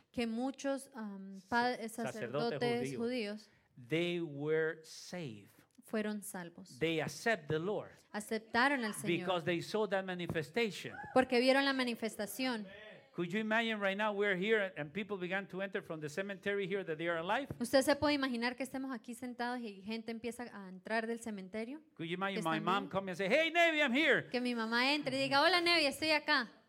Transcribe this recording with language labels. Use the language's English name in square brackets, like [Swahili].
[Spanish] que muchos sacerdotes judíos, [English] they were saved. [Spanish] Fueron salvos. [English] They accept the Lord. [Spanish] Aceptaron al Señor. [English] Because they saw that manifestation. [Spanish] Porque vieron la manifestación. [English] Could you imagine right now we're here and people began to enter from the cemetery here that they are alive? [Spanish] ¿Usted se puede imaginar que estemos aquí sentados y gente empieza a entrar del cementerio? [English] Could you imagine my mom come and say, "Hey, Nevi, I'm here." [Spanish] Que mi mamá entre y diga, "Hola, Nevi, estoy acá."